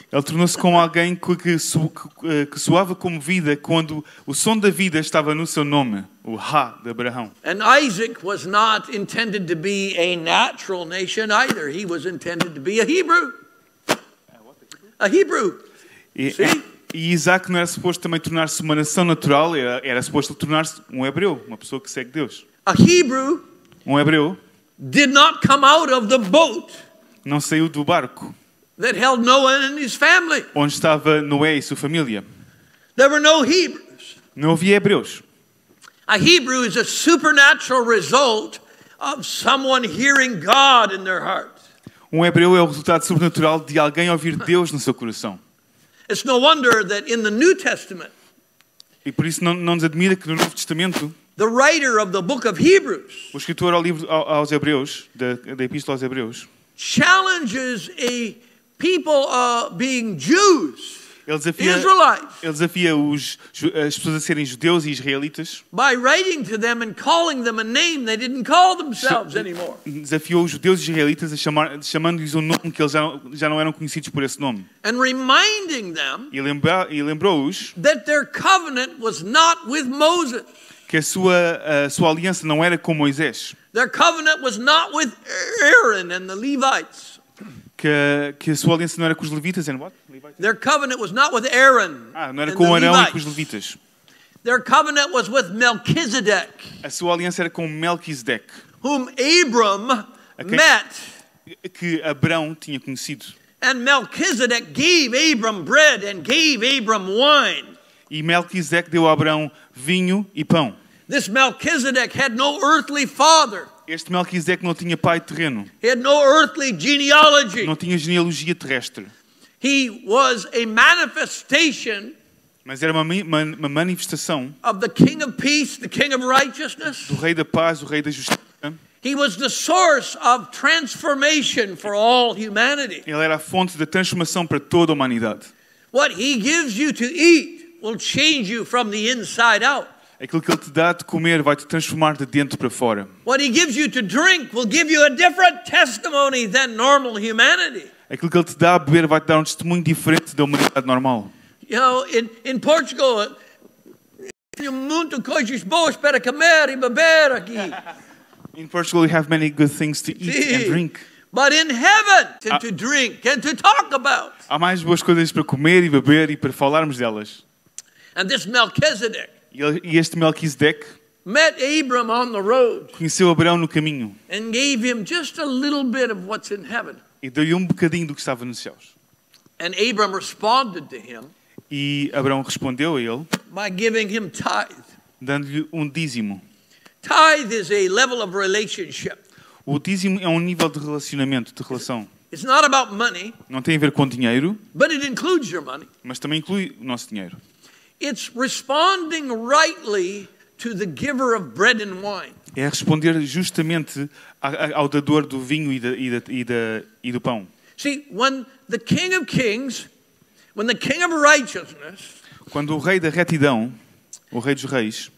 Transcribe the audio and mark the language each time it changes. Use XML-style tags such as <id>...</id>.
<pt>Ele tornou-se como alguém que soava como vida quando o som da vida estava no seu nome, o Ha de Abraão.</pt> <en>And Isaac was not intended to be a natural nation either. He was intended to be a Hebrew. A Hebrew.</en> <pt>E Isaac não era suposto também tornar-se uma nação natural, era suposto tornar-se um hebreu, uma pessoa que segue Deus.</pt> <en>A Hebrew,</en> <pt>um hebreu,</pt> <en>did not come out of the boat.</en> <pt>Não saiu do barco.</pt> <en>That held Noah and his family.</en> <pt>Onde estava Noé e sua família.</pt> <en>There were no Hebrews.</en> <pt>Não havia hebreus.</pt> <en>A Hebrew is a supernatural result of someone hearing God in their heart.</en> <pt>Um hebreu é o resultado sobrenatural de alguém ouvir Deus no seu coração.</pt> <en>It's no wonder that in the New Testament.</en> <pt>E por isso não nos admira que no Novo Testamento.</pt> <en>The writer of the book of Hebrews.</en> <pt>O escritor ao livro aos Hebreus, da Epístola aos Hebreus.</pt> <en>Challenges a people being Jews.</en> <pt>Ele desafia,</pt> <en>Israelites.</en> <pt>Ele desafia as pessoas a serem judeus e israelitas.</pt> <en>By writing to them and calling them a name they didn't call themselves anymore.</en> <pt>Desafiou os judeus e israelitas chamando-lhes um nome que eles já não eram conhecidos por esse nome.</pt> <en>And reminding them.</en> <pt>E lembrou-os.</pt> <en>That their covenant was not with Moses.</en> <pt>Que a sua aliança não era com Moisés.</pt> <en>Their covenant was not with Aaron and the Levites.</en> <pt>Que a sua aliança não era com os levitas,</pt> <en>and what? Their covenant was not with Aaron.</en> <pt>Ah, não era com Arão e com os levitas.</pt> <en>Their covenant was with Melchizedek.</en> <pt>A sua aliança era com Melquisedec.</pt> <en>Whom Abram met.</en> <pt>Que Abrão tinha conhecido.</pt> <en>And Melchizedek gave Abram bread and gave Abram wine.</en> <pt>E Melquisedec deu a Abrão vinho e pão.</pt> <en>This Melchizedek had no earthly father.</en> <pt>Este Melquisedec não tinha pai terreno.</pt> <en>He had no earthly genealogy.</en> <pt>Não tinha genealogia terrestre.</pt> <en>He was a manifestation.</en> <pt>Mas era uma manifestação.</pt> <en>Of the King of Peace, the King of Righteousness.</en> <pt>Do Rei da Paz, o Rei da Justiça.</pt> <en>He was the source of transformation for all humanity.</en> <pt>Ele era a fonte da transformação para toda a humanidade.</pt> <en>What he gives you to eat will change you from the inside out.</en> <pt>Aquilo que Ele te dá de comer vai-te transformar de dentro para fora.</pt> <en>What He gives you to drink will give you a different testimony than normal humanity.</en> <pt>Aquilo que Ele te dá a beber vai-te dar um testemunho diferente da humanidade normal.</pt> <en>You know, in Portugal,</en> <pt>tenho muitas coisas boas para comer e beber aqui.</pt> <en>In Portugal, you have many good things to eat and drink. But in heaven, to drink and to talk about.</en> <pt>Há mais boas coisas para comer e beber e para falarmos delas.</pt> <en>And this Melchizedek.</en> <pt>E este Melquisedec</pt> <en>met Abram on the road,</en> <pt>conheceu Abraão no caminho</pt> <en>and gave him just a little bit of what's in heaven.</en> <pt>E deu-lhe um bocadinho do que estava nos céus.</pt> <en>And Abram responded to him,</en> <pt>e Abraão respondeu a ele</pt> <en>by giving him tithe.</en> <pt>Dando-lhe um dízimo.</pt> <en>Tithe is a level of relationship.</en> <pt>O dízimo é um nível de relacionamento, de relação.</pt> <en>It's not about money,</en> <pt>não tem a ver com dinheiro,</pt> <en>but it includes your money.</en> <pt>Mas também inclui o nosso dinheiro.</pt> <en>It's responding rightly to the giver of bread and wine.</en> <pt>É responder justamente ao dador do vinho e do pão.</pt> <en>See, when the King of Kings, when the King of Righteousness,</en> <pt>quando o Rei da Retidão, o Rei dos Reis,</pt>